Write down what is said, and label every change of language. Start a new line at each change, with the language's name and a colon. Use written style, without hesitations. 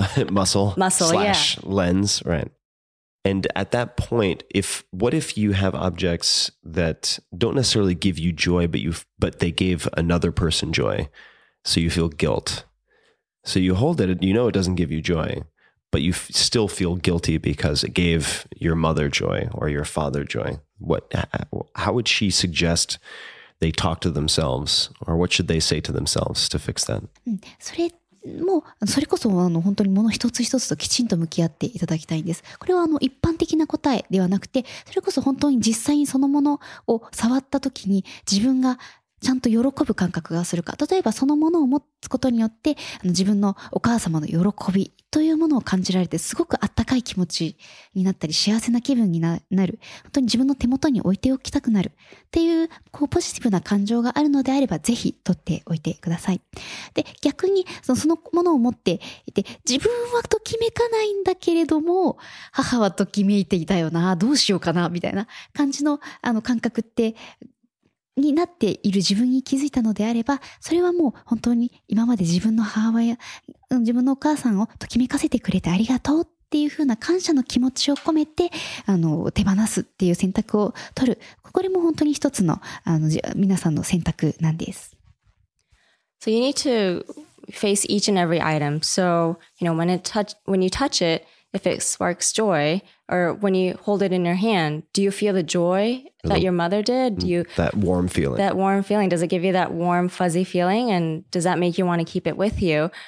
English: muscle slash lens, right? And at that point, what if you have objects that don't necessarily give you joy, but they gave another person joy, so you feel guilt. So you hold it, you know it doesn't give you joy, but you still feel guilty because it gave your mother joy or your father joy. How would she suggest they talk to themselves, or what should they say to themselves to fix that?
Japanese: もうそれこそ本当に物一つ一つときちんと向き合っていただきたいんです。これは一般的な答えではなくて、それこそ本当に実際にそのものを触った時に自分がちゃんと喜ぶ感覚がするか、例えばそのものを持つことによって自分のお母様の喜びというものを感じられて、すごくあったかい気持ちになったり幸せな気分になる、本当に自分の手元に置いておきたくなるっていう、こうポジティブな感情があるのであればぜひ取っておいてください。で、逆にそのものを持っていて自分はときめかないんだけれども、母はときめいていたよな、どうしようかなみたいな感じの感覚ってになっている自分に気づいたのであれば、それはもう本当に今まで自分の母親、自分のお母さんをときめかせてくれてありがとうっていうふうな感謝の気持ちを込めて手放すっていう選択を取る。これも本当に一つの皆さんの選択なんです。
English: So you need to face each and every item. So, you know, when you touch it, if it sparks joy, or when you hold it in your hand, do you feel the joy that your mother did? That warm feeling. Does it give you that warm, fuzzy feeling? And does that make you want to keep it with you?